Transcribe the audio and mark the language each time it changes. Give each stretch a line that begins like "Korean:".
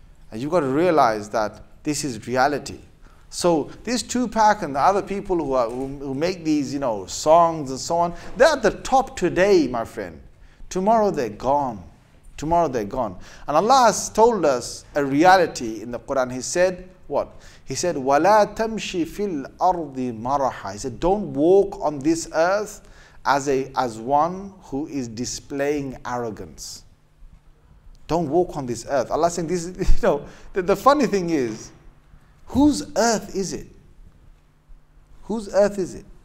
English: And you've got to realize that this is reality. So this Tupac and the other people who make these, you know, songs and so on, they're at the top today, my friend. Tomorrow they're gone. Tomorrow they're gone. And Allah has told us a reality in the Quran. He said, what? He said,
Arabic: وَلَا تَمْشِي فِي الْأَرْضِ مَرَحَ.
English: He said, don't walk on this earth as one who is displaying arrogance. Don't walk on this earth. Allah is saying this, you know, the funny thing is, whose earth is it? Whose earth is it?